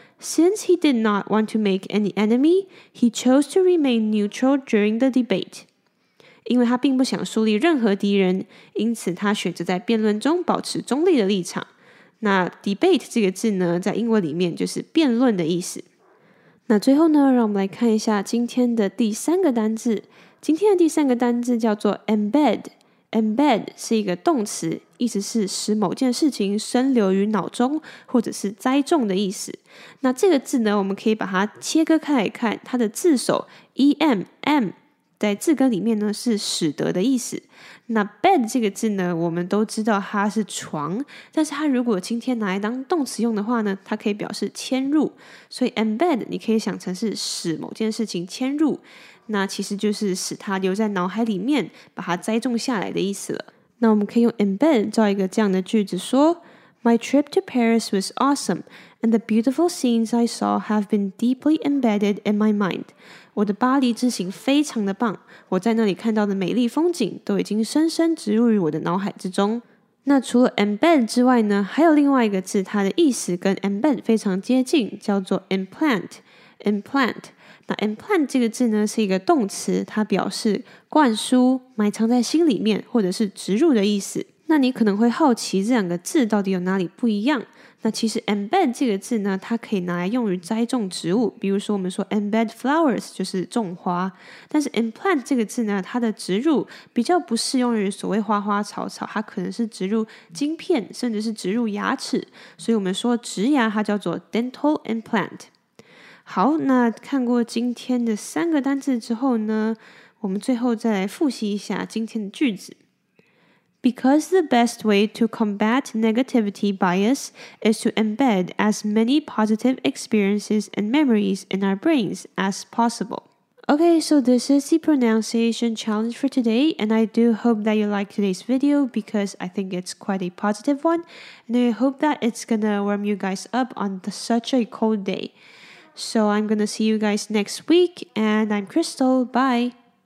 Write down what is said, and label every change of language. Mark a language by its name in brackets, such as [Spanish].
[English] Since he did not want to make an enemy, he chose to remain neutral during the debate. [Chinese] 因为他并不想树立任何敌人，因此他选择在辩论中保持中立的立场。那 debate 这个字呢，在英文里面就是辩论的意思。那最后呢，让我们来看一下今天的第三个单字。今天的第三个单字叫做 embed。embed 是一个动词，意思是使某件事情深留于脑中，或者是栽种的意思。那这个字呢，我们可以把它切割开来看，它的字首 em 在字根里面呢是使得的意思。那 bed 这个字呢，我们都知道它是床，但是它如果今天拿来当动词用的话呢，它可以表示迁入，所以 embed 你可以想成是使某件事情迁入，那其实就是使它留在脑海里面，把它栽种下来的意思了。那我们可以用 embed 造一个这样的句子说， [English] My trip to Paris was awesome, and the beautiful scenes I saw have been deeply embedded in my mind. [Chinese] 我的巴黎之行非常的棒，我在那里看到的美丽风景都已经深深植入于我的脑海之中。那除了 embed 之外呢，还有另外一个字，它的意思跟 embed 非常接近，叫做 implant。implant。那 implant 这个字呢是一个动词，它表示灌输、埋藏在心里面或者是植入的意思。那你可能会好奇这两个字到底有哪里不一样。那其实 embed 这个字呢，它可以拿来用于栽种植物，比如说我们说 embed flowers 就是种花。但是 implant 这个字呢，它的植入比较不适用于所谓花花草草，它可能是植入晶片，甚至是植入牙齿，所以我们说植牙它叫做 dental implant。好，那看过今天的三个单字之后呢，我们最后再来复习一下今天的句子。 [English] Because the best way to combat negativity bias is to embed as many positive experiences and memories in our brains as possible. Okay, so this is the pronunciation challenge for today, and I do hope that you like today's video because I think it's quite a positive one, and I hope that it's gonna warm you guys up on such a cold day. So I'm gonna see you guys next week, and I'm Crystal. Bye!